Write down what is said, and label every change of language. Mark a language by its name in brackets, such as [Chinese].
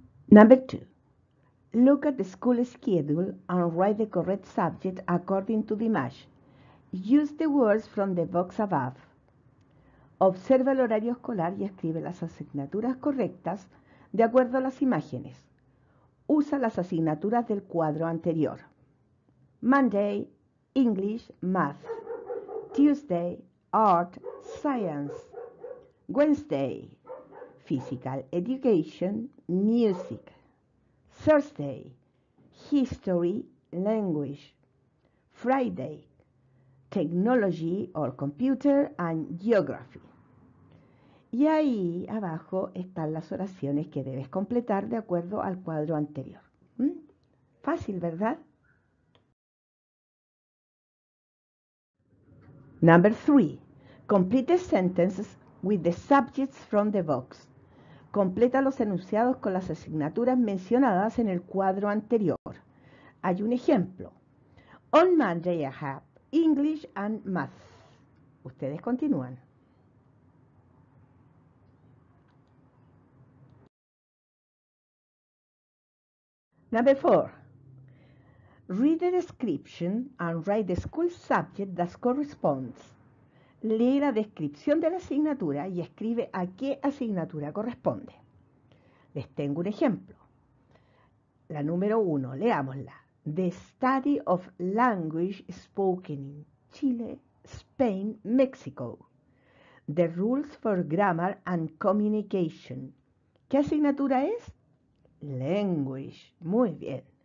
[English] Number 2. Look at the school schedule and write the correct subject according to the match. Use the words from the box above. [Spanish] Observa el horario escolar y escribe las asignaturas correctas de acuerdo a las imágenes. Usa las asignaturas del cuadro anterior. [English] Monday, English, Math. Tuesday, Art, Science. Wednesday, Physical Education, Music. Thursday, History, Language. Friday, Technology or Computer and Geography. [Spanish] Y ahí abajo están las oraciones que debes completar de acuerdo al cuadro anterior. Fácil, ¿verdad? [English] Number 3. Complete the sentences with the subjects from the box. [Spanish] Completa los enunciados con las asignaturas mencionadas en el cuadro anterior. Hay un ejemplo. [English] On Monday I have English and Math. [Spanish] Ustedes continúan. [English] Number 4. Read the description and write the school subject that corresponds. [Spanish] Lee la descripción de la asignatura y escribe a qué asignatura corresponde. Les tengo un ejemplo. La número 1. Leámosla. [English] The Study of Language Spoken in Chile, Spain, Mexico. The Rules for Grammar and Communication. [Spanish] ¿Qué asignatura es? Language. Muy bien.